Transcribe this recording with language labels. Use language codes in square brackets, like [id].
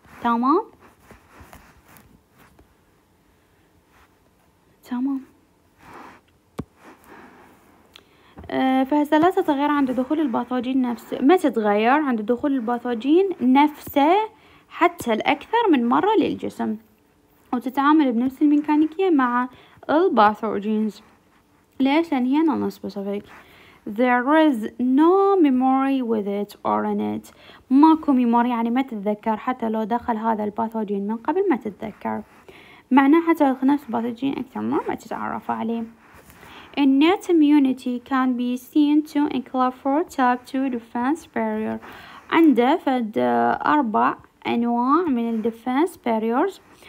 [ar] تمام تمام، فهسه لا تتغير عند دخول الباثوجين نفسه، ما تتغير عند دخول الباثوجين نفسه حتى الأكثر من مرة للجسم، وتتعامل بنفس الميكانيكية مع الباثوجينز. ليش؟ لأن هي [en] non specific. There is no memory with it or in it. [ar] ماكو ميموري، يعني ما تتذكر، حتى لو دخل هذا الباثوجين من قبل ما تتذكر، معناه حتى لو نفس الباثوجين أكثر مرة ما تتعرف عليه. [en] Innate immunity can be seen to include four type 2 defense barrier. [ar] عنده فد أربع أنواع من [en] defense barriers.